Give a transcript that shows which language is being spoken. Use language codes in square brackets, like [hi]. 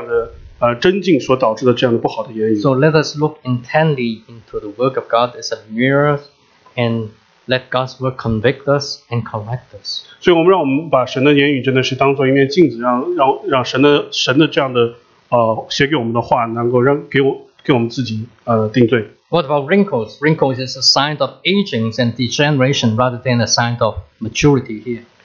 [zh] 或者就是只是说你的内心这样的真境所导致的这样的不好的言语. [en] So let us look intently into the work of God as a mirror, and let God's work convict us and correct us. [zh] 所以我们让我们把神的言语真的是当作一面镜子, 让神的这样的写给我们的话能够给我们自己定罪. [en] What about wrinkles? Wrinkles is a sign of aging and degeneration rather than a sign of maturity here.